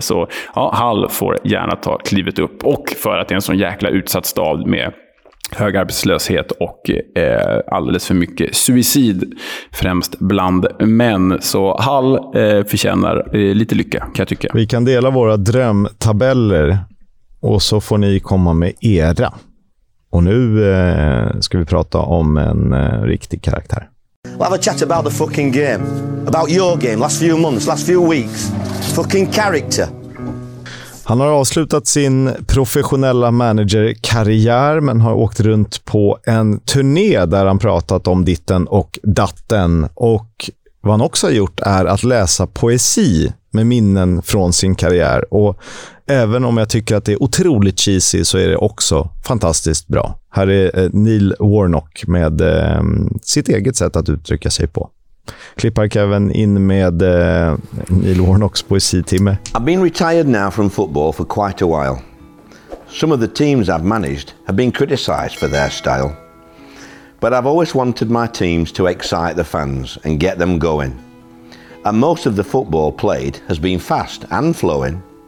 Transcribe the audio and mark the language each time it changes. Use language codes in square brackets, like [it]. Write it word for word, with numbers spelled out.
[sv] Så ja, Hull får gärna ta klivet upp, och för att det är en sån jäkla utsatt stad med hög arbetslöshet och eh, alldeles för mycket suicid främst bland män. Så Hull eh, förtjänar eh, lite lycka, kan jag tycka. Vi kan dela våra drömtabeller och så får ni komma med era. Och nu eh, ska vi prata om en eh, riktig karaktär. [en] We'll have a chat about the fucking game. About your game, last few months, last few weeks. Fucking character. [sv] Han har avslutat sin professionella managerkarriär, men har åkt runt på en turné där han pratat om ditten och datten. Och vad han också har gjort är att läsa poesi med minnen från sin karriär. Och även om jag tycker att det är otroligt cheesy så är det också fantastiskt bra. Här är Neil Warnock med eh, sitt eget sätt att uttrycka sig på. Klippar Kevin in med uh, Neil Warnocks poesitimme. [en] I've been retired now from football for quite a while. Some of the teams I've managed have been criticised for their style. But I've always wanted my teams to excite the fans and get them going. And most of the football played has been fast and flowing.